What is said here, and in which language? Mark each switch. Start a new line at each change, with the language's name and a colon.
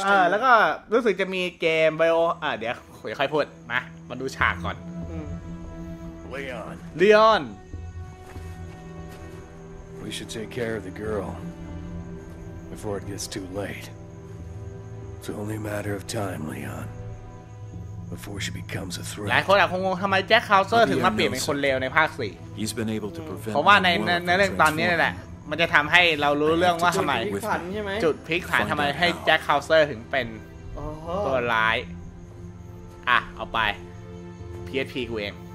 Thai: แล้วก็รู้สึกจะมีเกมไบโอเดี๋ยวค่อยพูดมามาดูฉากก่อน
English: Leon We should take care of the girl before it gets too late. It's only a matter of time, Leon. Before she becomes a threat.
Thai: หลายคนอาจคงงงทำไมแจ็คคาวเซอร์ถึงมาเปลี่ยนเป็นคนเลวในภาค4เพราะว่าในเรื่องตอนนี้นี่แหละมันจะทำให้เรารู้เรื่องว่าทำไมจุดพลิกผันทำไมให้แจ็คคาวเซอร์ถึงเป็นตัวร้ายอ่ะเอาไป PHP กูเอง